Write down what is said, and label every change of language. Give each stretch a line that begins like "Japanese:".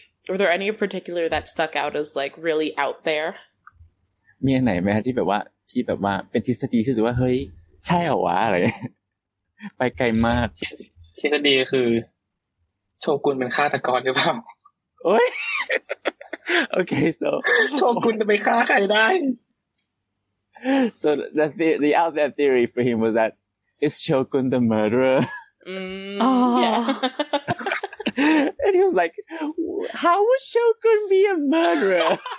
English: Were there any in particular that stuck out as, like, really out there?
Thai: มีอันไหนไหมที่แบบว่าเป็นทฤษฎีที่รู้สึกว่าเฮ้ยใช่เหรอวะอะไรไปไกลมากทฤษฎีคือโชกุนเป็นฆาตกรหรือเปล่า
English: Okay, so So the out there theory for him was that is Chokun the murderer? And he was like, how would Chokun be a murderer?